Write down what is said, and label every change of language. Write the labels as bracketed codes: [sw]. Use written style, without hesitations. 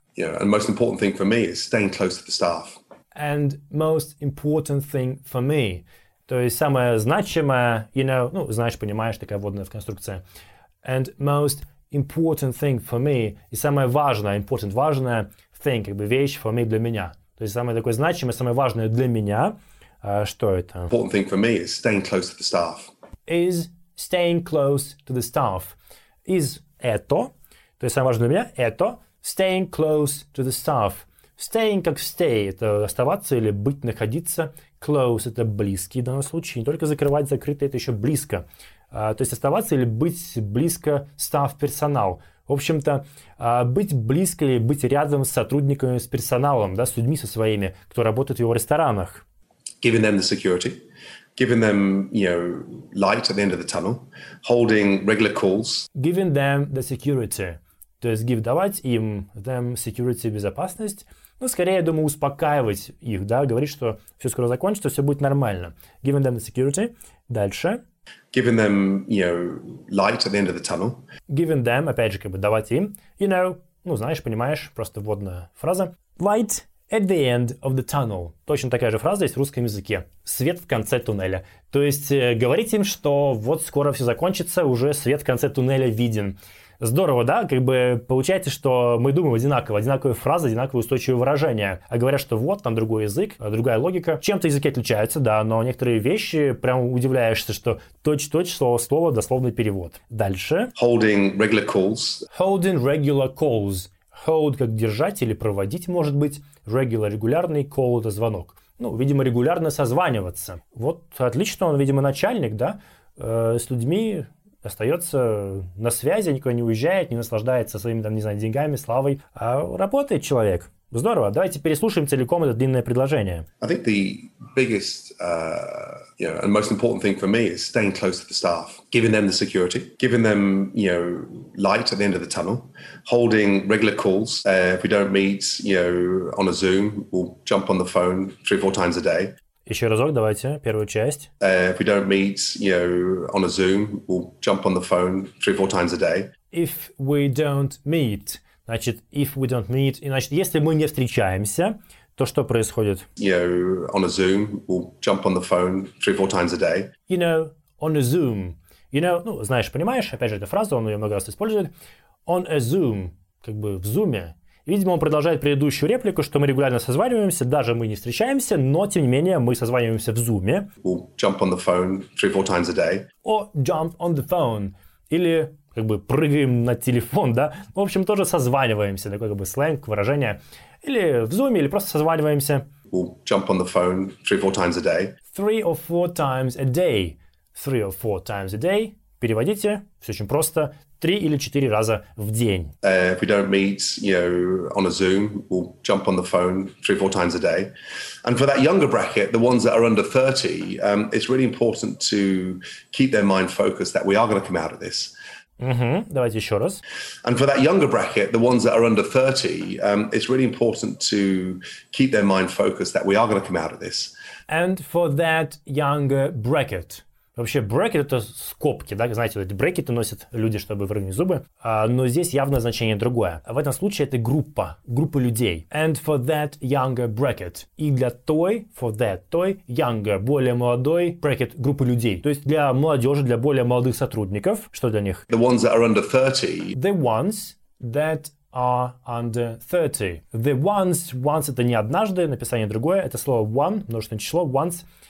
[en] Yeah, and most important thing for me is staying close to the staff. And most important thing for me. [ru] То есть самое значимое, [en] you know, [ru] ну, знаешь, понимаешь, такая вводная конструкция. [en] And most important thing for me. [ru] И самое важное, important, важное thing, как бы вещь for me, для меня. То есть самое такое значимое, самое важное для меня. Что это? [en] Important thing for me is staying close to the staff. Is staying close to the staff. [ru] Is это, то есть самое важное для меня, это [en] staying close to the staff. [ru] Staying как stay, это оставаться или быть, находиться. Close — это близкий в данном случае. Не только закрывать, закрыто, это еще близко. То есть оставаться или быть близко staff, персонал. В общем-то, быть близко или быть рядом с сотрудниками, с персоналом, да, с людьми со своими, кто работает в его ресторанах. [en] Giving them the security. Giving them, you know, light at the end of the tunnel. Holding regular calls. Giving them the security. [ru] То есть give, давать им, them security, безопасность. Ну, скорее, я думаю, успокаивать их, да, говорить, что все скоро закончится, все будет нормально. [en] Giving them the security. [ru] Дальше. [en] Giving them, you know, light at the end of the tunnel. [ru] Giving them, опять же, как бы давать им, you know, ну, знаешь, понимаешь, просто вводная фраза. [en] Light at the end of the tunnel. [ru] Точно такая же фраза есть в русском языке. Свет в конце туннеля. То есть говорить им, что вот скоро все закончится, уже свет в конце туннеля виден. Здорово, да? Как бы получается, что мы думаем одинаково. Одинаковые фразы, одинаковые устойчивые выражения. А говорят, что вот, там другой язык, другая логика. Чем-то языки отличаются, да, но некоторые вещи, прям удивляешься, что точь-точь, слово-слово, дословный перевод. Дальше. [en] Holding regular calls. Holding regular calls. [ru] Hold как держать или проводить, может быть. Regular – регулярный, call – это звонок. Ну, видимо, регулярно созваниваться. Вот отлично, он, видимо, начальник, да, с людьми... Остается на связи, никуда не уезжает, не наслаждается своими, там, не знаю, деньгами, славой. А работает человек. Здорово. Давайте переслушаем целиком это длинное предложение. [en] I think the biggest and most important thing for me is staying close to the staff, giving them the security, giving them, you know, light at the end of the tunnel, holding regular calls. If we don't meet, you know, on a Zoom, we'll jump on the phone 3-4 times a day. [ru] Еще разок, давайте, первую часть. [en] If we don't meet, you know, on a Zoom, we'll jump on the phone 3-4 times a day. [ru] If we don't meet, значит, [en] if we don't meet, [ru] и значит, если мы не встречаемся, то что происходит? [en] You know, on a Zoom, we'll jump on the phone 3-4 times a day. You know, on a Zoom. You know, [ru] ну, знаешь, понимаешь, опять же, эта фраза, он ее много раз использует. on a Zoom, как бы в Zoom. Видимо, он продолжает предыдущую реплику, что мы регулярно созваниваемся, даже мы не встречаемся, но, тем не менее, мы созваниваемся в Zoom. [en] We'll jump on the phone 3-4 times a day. Or jump on the phone. [ru] Или, как бы, прыгаем на телефон, да? В общем, тоже созваниваемся, такой, как бы, сленг, выражение. Или в Zoom, или просто созваниваемся. [en] We'll jump on the phone 3-4 times a day. 3-4 times a day. 3-4 times a day. [ru] Переводите, все очень просто. 3 или 4 раза в день. [en] If we don't meet, you know, on a Zoom, we'll jump on the phone 3-4 times a day. And for that younger bracket, the ones that are under 30, it's really important to keep their mind focused that we are going to come out of this. [ru] Mm-hmm. Давайте еще раз. [en] And for that younger bracket, the ones that are under 30, it's really important to keep their mind focused that we are going to come out of this. And for that younger bracket. [ru] Вообще, брекет — это скобки, да, знаете, вот эти брекеты носят люди, чтобы выровнять зубы, но здесь явное значение другое. В этом случае это группа людей. [en] And for that younger bracket. [ru] И для той, for that, той, younger, более молодой, bracket, группы людей. То есть для молодежи, для более молодых сотрудников, что для них? [en] The ones that are under 30. The ones that are under 30. [ru] The ones, once — это не однажды, написание другое, это слово one, множественное число, once.